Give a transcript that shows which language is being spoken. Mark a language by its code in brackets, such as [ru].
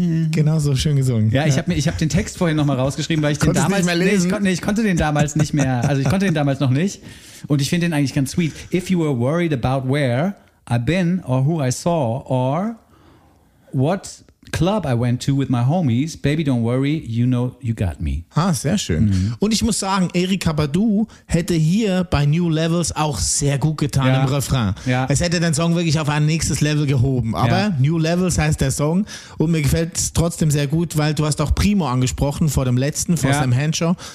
[de] Genau so schön gesungen. Ja, ich hab den Text vorhin nochmal rausgeschrieben, weil ich den damals nicht mehr lesen. Ich konnte den damals noch nicht. Und ich finde den eigentlich ganz sweet. [en] If you were worried about where I've been or who I saw or what club I went to with my homies, baby don't worry, you know you got me. [de] Ah, sehr schön. Mhm. Und ich muss sagen, Erykah Badu hätte hier bei New Levels auch sehr gut getan im Refrain. Ja. Es hätte den Song wirklich auf ein nächstes Level gehoben. Aber New Levels heißt der Song und mir gefällt es trotzdem sehr gut, weil du hast auch Primo angesprochen vor dem letzten, vor Sam Henshaw.